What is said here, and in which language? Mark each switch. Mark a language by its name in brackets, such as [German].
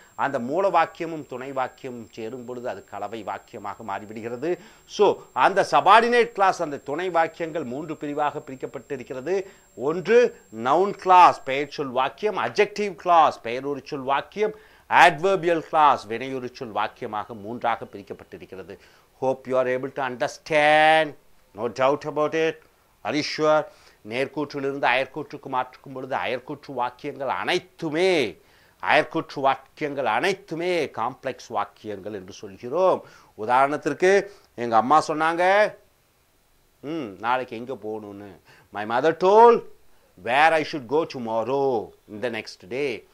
[Tamil] அந்த மூல வாக்கியமும் துணை வாக்கியமும் சேரும் பொழுது அது கலவை வாக்கியமாக மாறிவிடுகிறது. ஸோ அந்த சபார்டினேட் கிளாஸ் அந்த துணை வாக்கியங்கள் மூன்று பிரிவாக பிரிக்கப்பட்டிருக்கிறது. ஒன்று நவுன் கிளாஸ் பெயர்ச்சொல் வாக்கியம், அட்ஜெக்டிவ் கிளாஸ் பெயரூறுச்சொல் வாக்கியம், adverbial class வினையுறுச்சொல் வாக்கியமாக மூன்றாக பிரிக்கப்பட்டிருக்கிறது. [English] Hope you are able to understand, no doubt about it. Are you sure? [Tamil] நேர்கூற்றிலிருந்து அயற்கூற்றுக்கு மாற்றுக்கும் பொழுது அயற்கூற்று வாக்கியங்கள் அனைத்துமே காம்ப்ளெக்ஸ் வாக்கியங்கள் என்று சொல்கிறோம். உதாரணத்திற்கு எங்கள் அம்மா சொன்னாங்க நாளைக்கு எங்கே போகணும்னு. [English] My mother told where I should go tomorrow in the next day.